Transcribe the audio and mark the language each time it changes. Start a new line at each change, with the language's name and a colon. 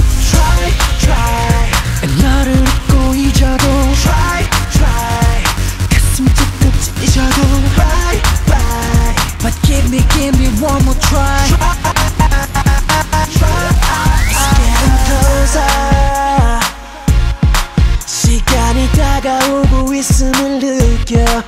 English: Try, try
Korean: 나를 잊고 잊어도.
English: Try, try
Korean: 가슴 뜨겁 찢어도.
English: Bye, bye But give me one more try. Try, try It's getting closer.
Korean: 시간이 다가오고 있음을 느껴.